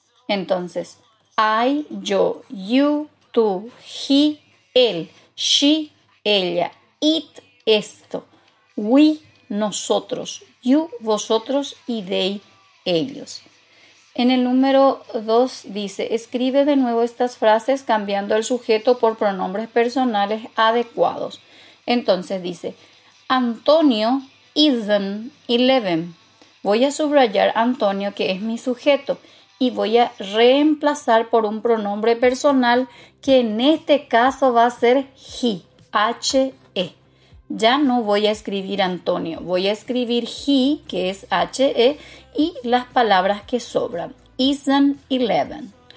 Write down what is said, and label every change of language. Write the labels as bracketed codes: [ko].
[es] Entonces, I, yo, you, tú, he, él, she, ella, it, esto, we, nosotros, you, vosotros y they, ellos. En el número 2 dice, escribe de nuevo estas frases cambiando el sujeto por pronombres personales adecuados. Entonces dice, [en] Antonio isn't 11. [es] Voy a subrayar Antonio, que es mi sujeto, y voy a reemplazar por un pronombre personal que en este caso va a ser he, H-E. Ya no voy a escribir Antonio, voy a escribir he, que es H-E, y las palabras que sobran, [en] isn't 11.